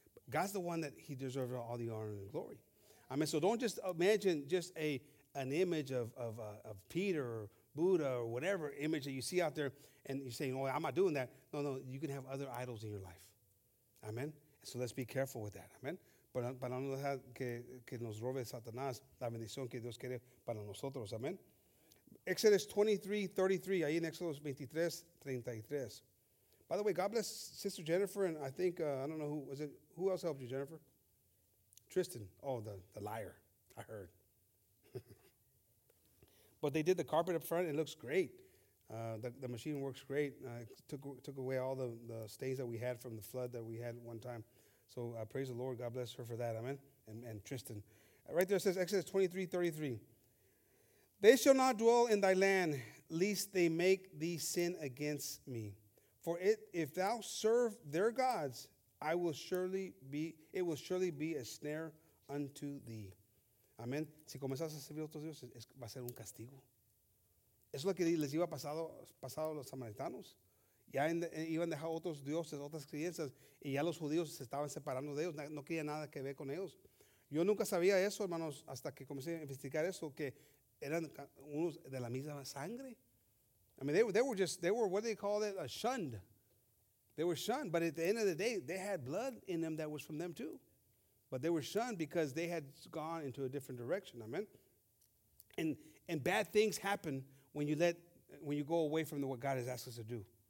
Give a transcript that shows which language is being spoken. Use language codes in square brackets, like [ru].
[en] God's the one that he deserves all the honor and glory. I mean, so don't just imagine just an image of Peter or Buddha or whatever image that you see out there, and you're saying, oh, I'm not doing that. No, you can have other idols in your life, amen? So let's be careful with that, amen? [es] Para no dejar que nos robe Satanás la bendición que Dios quiere para nosotros, amen? Exodus 23:33, ahí en Exodus 23:33. [en] By the way, God bless Sister Jennifer, and I think, I don't know who was it, who else helped you, Jennifer? Tristan, oh, the liar, I heard. But they did the carpet up front, it looks great. The machine works great, took away all the stains that we had from the flood that we had one time. So praise the Lord, God bless her for that, amen, and Tristan. Right there it says, Exodus 23:33. They shall not dwell in thy land, lest they make thee sin against me. For if thou serve their gods, it will surely be a snare unto thee. Amen. [es] Si comenzas a servir a otros dioses, va a ser un castigo. Es lo que les iba pasado a los samaritanos. Ya iban a dejar otros dioses, otras creencias, y ya los judíos se estaban separando de ellos. No querían nada que ver con ellos. Yo nunca sabía eso, hermanos, hasta que comencé a investigar eso, que eran unos de la misma sangre. [en] I mean, they were what they call it, shunned. They were shunned, but at the end of the day, they had blood in them that was from them too. But they were shunned because they had gone into a different direction, amen? And bad things happen when you go away from what God has asked us to do.